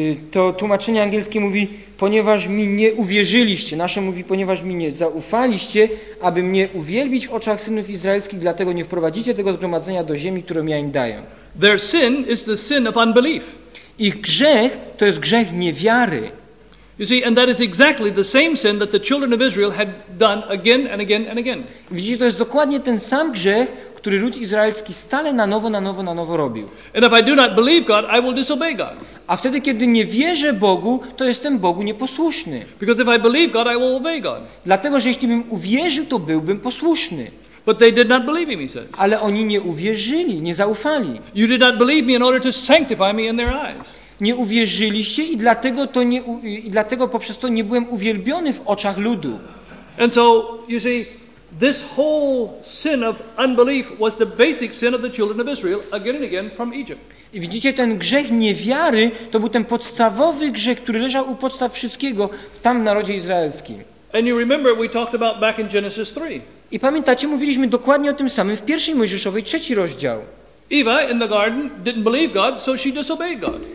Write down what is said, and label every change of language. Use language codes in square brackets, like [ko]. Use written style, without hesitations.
[pl] To tłumaczenie angielskie mówi, ponieważ mi nie uwierzyliście. Nasze mówi, ponieważ mi nie zaufaliście, aby mnie uwielbić w oczach synów izraelskich, dlatego nie wprowadzicie tego zgromadzenia do ziemi, którą ja im daję. [en] Their sin is the sin of unbelief. [pl] Ich grzech to jest grzech niewiary. [en] You see, and that is exactly the same sin that the children of Israel had done again and again and again. [pl] Widzicie, to jest dokładnie ten sam grzech, który lud izraelski stale na nowo robił. [en] And if I do not believe God, I will disobey God. [pl] A wtedy, kiedy nie wierzę Bogu, to jestem Bogu nieposłuszny. [en] Because if I believe God, I will obey God. [pl] Dlatego, że jeśli bym uwierzył, to byłbym posłuszny. [en] But they did not believe him, he says. [pl] Ale oni nie uwierzyli, nie zaufali. [en] You did not believe me in order to sanctify me in their eyes. [pl] Nie uwierzyliście i dlatego poprzez to nie byłem uwielbiony w oczach ludu. [en] And so, you see, this whole sin of unbelief was the basic sin of the children of Israel again and again from Egypt. [pl] I widzicie, ten grzech niewiary to był ten podstawowy grzech, który leżał u podstaw wszystkiego tam w narodzie izraelskim. [en] And you remember we talked about back in Genesis 3. [pl] I pamiętacie, mówiliśmy dokładnie o tym samym w pierwszej Mojżeszowej, trzeci rozdział. [en] Eva in the garden didn't believe God, so she disobeyed God.